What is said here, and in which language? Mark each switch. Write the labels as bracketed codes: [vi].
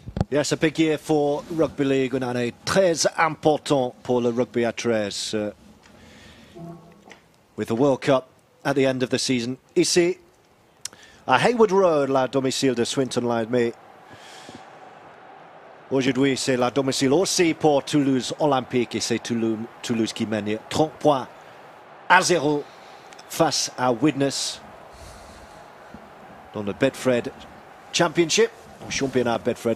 [en] Yes, a big year for rugby league, [fr] une année très important pour le rugby à 13. [en] With the World Cup at the end of the season. [fr] Ici, à Haywood Road, la domicile de Swinton Lions. Mais aujourd'hui, c'est la domicile aussi pour Toulouse Olympique. Et c'est Toulouse qui mène 30 points à 0 face à Widnes dans le Betfred Championship. Championnat Bedford.